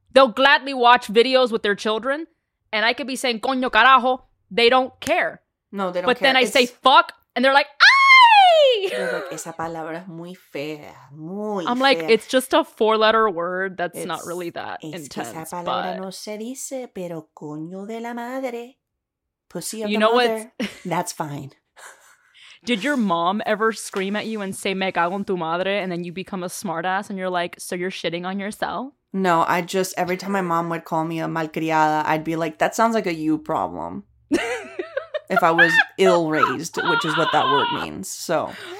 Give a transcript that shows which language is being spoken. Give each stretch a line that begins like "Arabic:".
English: They'll gladly watch videos with their children. And I could be saying,
Spanish: coño, carajo.
English: They don't care. No, they don't care. But then I say, fuck. And they're like, ay!
Spanish: Esa palabra es muy fea. Muy fea.
English: I'm like, it's just a four-letter word that's not really that intense.
Spanish: Esa palabra no se dice, pero coño de la madre.
English: Pussy of the mother. Know what? That's fine. Did your mom ever scream at you and say,
Spanish: me cago en tu madre,
English: and then you become a smartass and you're like, so you're shitting on yourself? No, I just, every time my mom would call me a malcriada, I'd be like, that sounds like a you problem. If I was ill-raised, which is what that word means, so.